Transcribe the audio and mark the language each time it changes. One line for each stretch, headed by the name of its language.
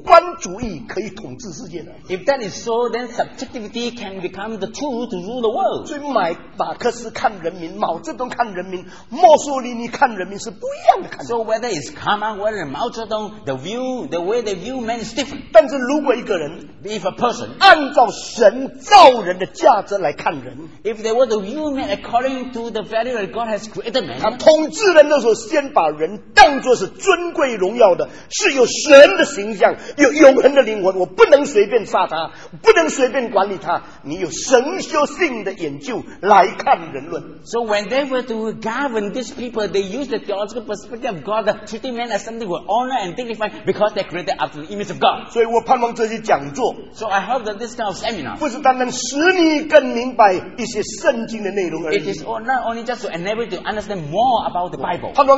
Chinese: 那么如果是这样的话，就变成主观主义可以统治世界了。
English: If that is so, then subjectivity can become the tool to rule the world.
Chinese: 所以马克思看人民，毛泽东看人民，墨索里尼看人民是不一样的看法。
English: So whether it's karma, whether Mao Zedong, the way they view men is different.
Chinese: 但是如果一个人
English: if a person
Chinese: 按照神造人的价值来看人，
English: if they were to view men according to the value that God has created men，
Chinese: 他统治人的时候先把人当作是尊贵荣耀的，是有神的形象，有永恒的灵魂，我不能随便杀他，不能随便管理他。你有神修性的研究来看人论。
English: So when they were to govern these people, they used the theological perspective of God, treating men as something with honor and dignified because they created after the image of God.
Chinese: 所以我盼望这些讲座，
English: So I hope that this kind of seminar
Chinese: 不是单单使你更明白一些圣经的内容而已。
English: It is not only just to enable you to understand more about the Bible.